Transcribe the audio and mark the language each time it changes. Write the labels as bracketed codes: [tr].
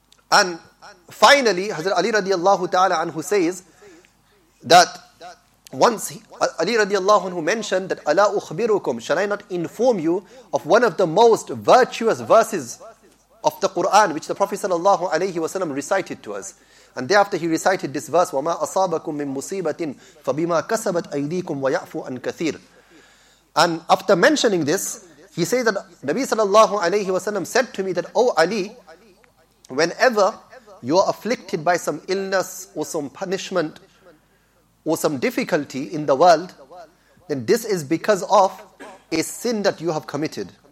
[en] And finally, Hazrat Ali radiallahu ta'ala anhu says that once Ali radiallahu anhu mentioned that [ar] Ala ukhbirukum, [en] shall I not inform you of one of the most virtuous verses of the Quran which the Prophet sallallahu alayhi wasallam recited to us? And thereafter he recited this verse, [ar] وَمَا أَصَابَكُم مِّن مُّصِيبَةٍ فَبِمَا كَسَبَتْ أَيْدِيكُمْ وَيَعْفُوا عَن كَثِيرٍ. [en] And after mentioning this, he says that Nabi sallallahu alayhi wasallam said to me that, O Ali, whenever you are afflicted by some illness or some punishment or some difficulty in the world, then this is because of a sin that you have committed.